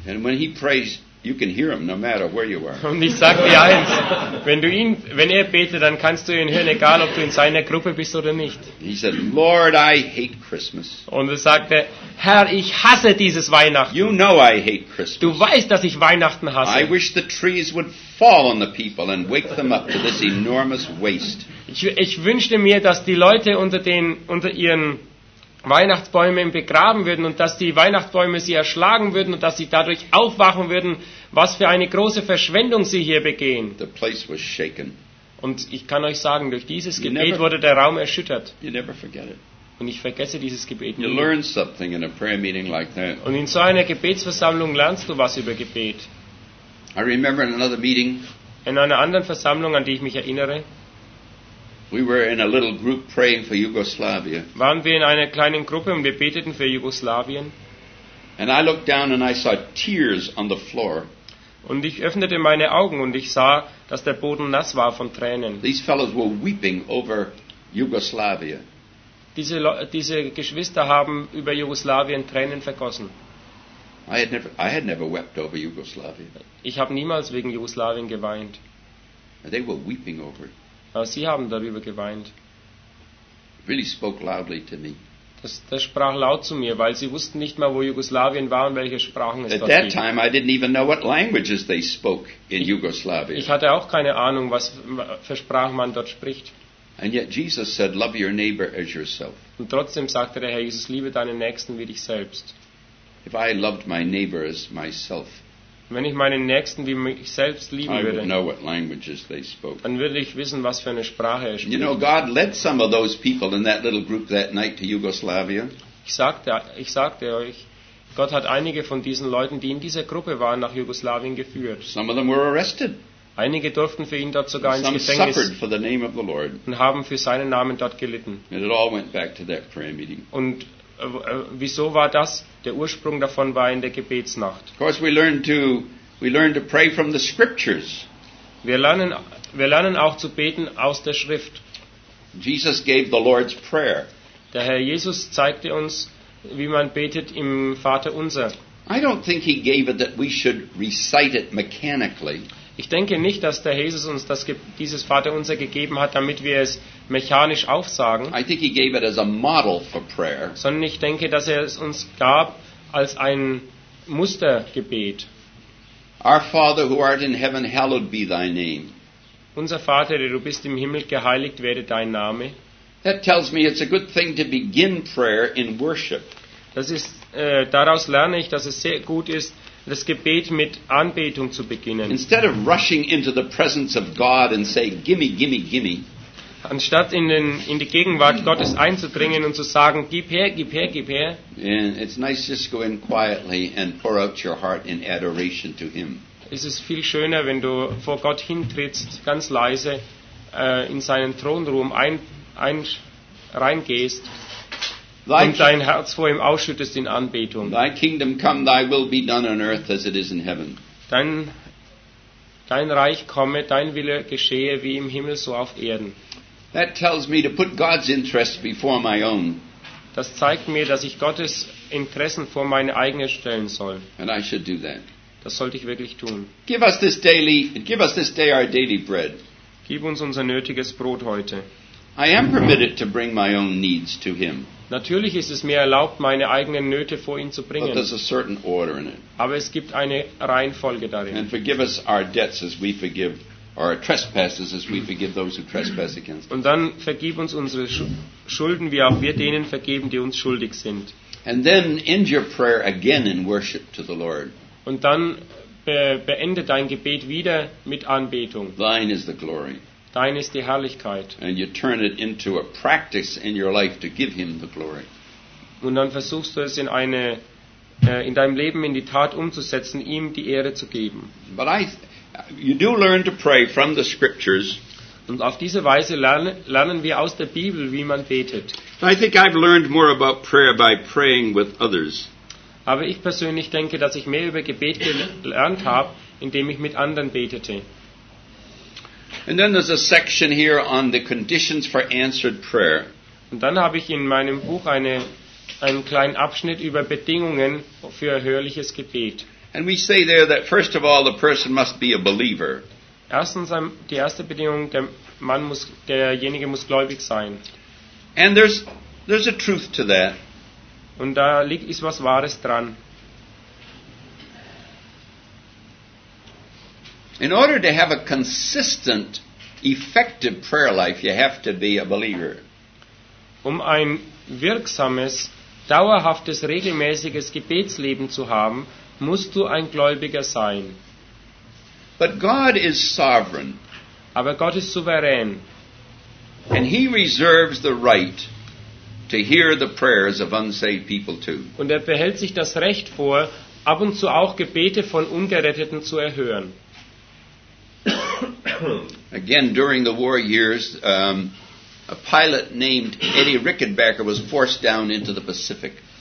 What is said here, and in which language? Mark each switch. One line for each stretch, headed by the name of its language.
English: And when he prays, you can hear him no matter where you are.
German: Und ich sag dir eins, wenn er betet, dann kannst du ihn hören, egal ob du in seiner Gruppe bist oder nicht.
English: He said, Lord, I hate Christmas.
German: Und er sagte, Herr, ich hasse dieses Weihnachten.
English: You know I hate Christmas.
German: Du weißt, dass ich Weihnachten hasse.
English: I wish the trees would fall on the people and wake them up to this enormous waste.
German: Ich wünschte mir, dass die Leute unter ihren Weihnachtsbäume begraben würden und dass die Weihnachtsbäume sie erschlagen würden und dass sie dadurch aufwachen würden, was für eine große Verschwendung sie hier begehen.
English: The place was shaken.
German: Und ich kann euch sagen, durch dieses Gebet wurde der Raum erschüttert.
English: You never forget it.
German: Und ich vergesse dieses Gebet nie.
English: You learn something in a prayer meeting like that.
German: Und in so einer Gebetsversammlung lernst du was über Gebet.
English: I remember in another meeting.
German: In einer anderen Versammlung, an die ich mich erinnere,
English: we were in a little group praying for Yugoslavia.
German: Waren wir in einer kleinen Gruppe und wir beteten für Jugoslawien.
English: And I looked down and I saw tears on the floor.
German: Und ich öffnete meine Augen und ich sah, dass der Boden nass war von Tränen.
English: These fellows were weeping over Yugoslavia.
German: Diese Geschwister haben über Jugoslawien Tränen vergossen.
English: I had never wept over Yugoslavia.
German: Ich habe niemals wegen Jugoslawien geweint.
English: And they were weeping over it.
German: Aber sie haben darüber geweint.
English: Really spoke loudly to me.
German: Das sprach laut zu mir, weil sie wussten nicht mal, wo Jugoslawien war und welche Sprachen es
English: at
German: dort
English: that
German: gibt.
English: Time I didn't even know what languages they spoke in Yugoslavia.
German: Ich hatte auch keine Ahnung, was für Sprachen man dort spricht.
English: And yet Jesus said, "Love your neighbor as yourself."
German: Und trotzdem sagte der Herr Jesus, liebe deinen Nächsten wie dich selbst.
English: If I loved my neighbor as myself,
German: wenn ich meinen Nächsten wie mich selbst lieben würde,
English: I know what languages they spoke.
German: Dann würde ich wissen, was für eine Sprache er spricht.
English: You know, God led some of those people in that little group that night to Yugoslavia.
German: Ich sagte euch, Gott hat einige von diesen Leuten, die in dieser Gruppe waren, nach Jugoslawien geführt.
English: Some of them were arrested.
German: Einige durften für ihn dort sogar ins Gefängnis.
English: Some suffered for the name of the Lord.
German: Und haben für seinen Namen dort gelitten.
English: And it all went back to that prayer meeting.
German: Und wieso war das? Der Ursprung davon war in der Gebetsnacht.
English: Of course we learn to pray from the scriptures.
German: Wir lernen auch zu beten aus der Schrift.
English: Jesus gave the Lord's prayer.
German: Der Herr Jesus zeigte uns, wie man betet im Vater unser.
English: I don't think he gave it that we should recite it mechanically.
German: Ich denke nicht, dass der Jesus uns dieses Vater unser gegeben hat, damit wir es mechanisch aufsagen.
English: I think he gave it as a model for prayer.
German: Sondern ich denke, dass er es uns gab als ein Mustergebet.
English: Our Father who art in heaven, hallowed be thy name.
German: Unser Vater, der du bist im Himmel, geheiligt werde dein Name.
English: That tells me it's a good thing to begin prayer in worship.
German: Das ist daraus lerne ich, dass es sehr gut ist, das Gebet mit Anbetung zu beginnen.
English: Instead of rushing into the presence of God and say, "Gimme, gimme, gimme."
German: Anstatt in die Gegenwart Gottes einzudringen und zu sagen, gib her, gib her, gib her.
English: And it's nice just go in quietly and pour out your heart in adoration to Him.
German: Es ist viel schöner, wenn du vor Gott hintrittst, ganz leise in seinen Thronraum reingehst. Und dein Herz vor ihm ausschüttest in Anbetung.
English: Thy kingdom come, thy will be done on earth as it is in heaven.
German: Dein Reich komme, dein Wille geschehe wie im Himmel so auf Erden.
English: That tells me to put God's interests before my own.
German: Das zeigt mir, dass ich Gottes Interessen vor meine eigenen stellen soll.
English: And I should do that.
German: Das sollte ich wirklich tun.
English: Give us this day our daily bread.
German: Gib uns unser nötiges Brot heute.
English: I am permitted to bring my own needs to Him.
German: Natürlich ist es mir erlaubt, meine eigenen Nöte vor ihn zu bringen.
English: But there's a certain order in it.
German: Aber es gibt eine Reihenfolge darin.
English: And forgive us our debts as we forgive our trespasses as we forgive those who trespass against us.
German: Und dann vergib uns unsere Schulden, wie auch wir denen vergeben, die uns schuldig sind.
English: And then end your prayer again in worship to the Lord.
German: Und dann beende dein Gebet wieder mit Anbetung.
English: Thine is the glory.
German: Dein ist die Herrlichkeit.
English: And you turn it into a practice in your life to give Him the glory.
German: Und dann versuchst du es in deinem Leben in die Tat umzusetzen, ihm die Ehre zu geben.
English: But you do learn to pray from the scriptures.
German: Und auf diese Weise lernen wir aus der Bibel, wie man betet.
English: I think I've learned more about prayer by praying with others.
German: Aber ich persönlich denke, dass ich mehr über Gebet gelernt habe, indem ich mit anderen betete.
English: And then there's a section here on the conditions for answered prayer.
German: Und dann habe ich in meinem Buch einen kleinen Abschnitt über Bedingungen für erhörliches Gebet.
English: And we say there that first of all the person must be a believer.
German: Erstens die erste Bedingung, derjenige muss gläubig sein.
English: And there's a truth to that.
German: Und da liegt ist was Wahres dran.
English: In order to have a consistent, effective prayer life, you have to be a believer.
German: um ein wirksames, dauerhaftes, regelmäßiges Gebetsleben zu haben, musst du ein Gläubiger sein.
English: But God is sovereign.
German: Aber Gott ist souverän.
English: And he reserves the right to hear the prayers of unsaved people too.
German: Und er behält sich das Recht vor, ab und zu auch Gebete von Ungeretteten zu erhören.
English: Again, during the war years, a pilot named Eddie Rickenbacker was forced down into the Pacific.